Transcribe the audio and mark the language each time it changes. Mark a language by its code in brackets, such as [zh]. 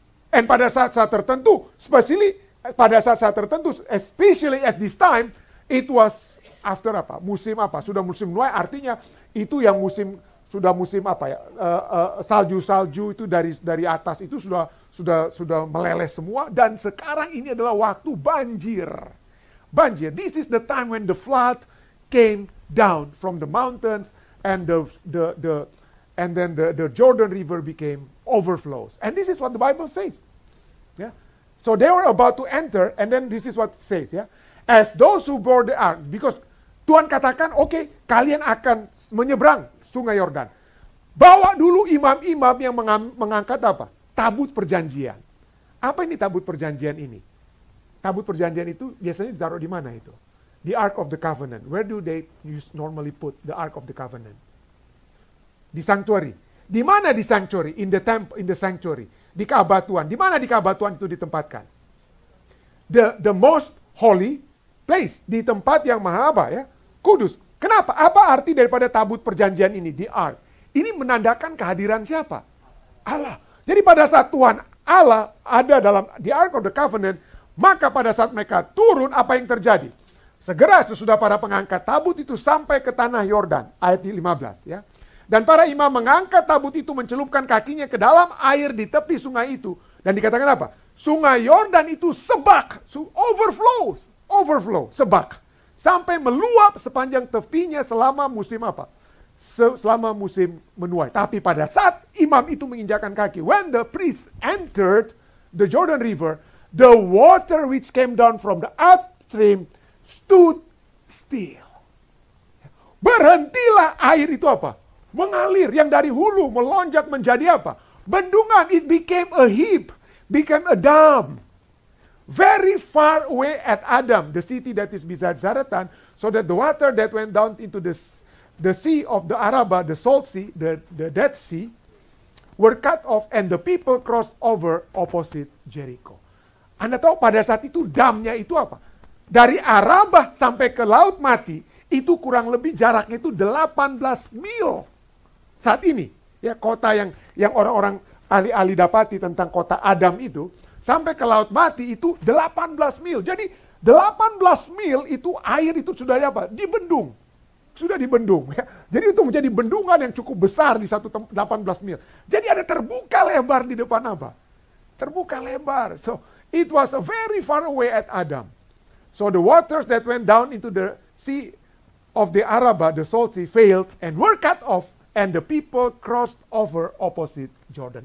[id] And pada saat-saat tertentu, especially pada saat-saat tertentu, [en] especially at this time, it was after [id] apa? Musim apa? Sudah musim nuai, artinya itu yang musim, sudah musim apa ya? Salju-salju itu dari atas itu sudah meleleh semua. Dan sekarang ini adalah waktu banjir. Banjir. [en] This is the time when the flood came down from the mountains and then the Jordan River became overflows. And this is what the Bible says. Yeah. So they were about to enter, and then this is what it says, yeah. As those who bore the ark, because [id] Tuhan katakan, okay, kalian akan menyeberang Sungai Yordan. Bawa dulu imam-imam yang mengangkat apa? Tabut perjanjian. Apa ini tabut perjanjian ini? Tabut perjanjian itu biasanya ditaruh di mana itu? The Ark of the Covenant. [en] Where do they normally put the Ark of the Covenant? Di sanctuary. [id] Di mana di sanctuary? [en] In the temple, in the sanctuary. [id] Di Ka'bah Tuhan. Di mana di Ka'bah Tuhan itu ditempatkan? [en] The most holy place. [id] Di tempat yang maha apa ya? Kudus. Kenapa? Apa arti daripada tabut perjanjian ini? The Ark. Ini menandakan kehadiran siapa? Allah. Jadi pada saat Tuhan Allah ada dalam the Ark of the Covenant, maka pada saat mereka turun, apa yang terjadi? Segera sesudah para pengangkat tabut itu sampai ke tanah Yordan. Ayat 15 ya. Dan para imam mengangkat tabut itu mencelupkan kakinya ke dalam air di tepi sungai itu. Dan dikatakan apa? Sungai Yordan itu sebak. Overflow. Sebak. Sampai meluap sepanjang tepinya selama musim apa? Selama musim menuai. Tapi pada saat imam itu menginjakan kaki. [en] When the priest entered the Jordan River, the water which came down from the upstream stood still. [id] Berhentilah air itu apa? Mengalir. Yang dari hulu melonjak menjadi apa? [en] Bendungan. It became a heap. Became a dam. Very far away at Adam, the city that is beside Zaratan, so that the water that went down into the sea of the Arabah, the salt sea, the Dead Sea, were cut off and the people crossed over opposite Jericho. [id] Anda tahu pada saat itu damnya itu apa? Dari Arabah sampai ke Laut Mati, itu kurang lebih jaraknya itu 18 mil. Saat ini, ya kota yang orang-orang ahli-ahli dapati tentang kota Adam itu, sampai ke Laut Mati itu 18 mil. Jadi 18 mil itu air itu sudah apa? Dibendung. Sudah dibendung. Ya. Jadi itu menjadi bendungan yang cukup besar di 18 mil. Jadi ada terbuka lebar di depan apa? Terbuka lebar. [en] So, it was a very far away at Adam. So the waters that went down into the sea of the Arabah, the salt sea, failed and were cut off and the people crossed over opposite Jordan.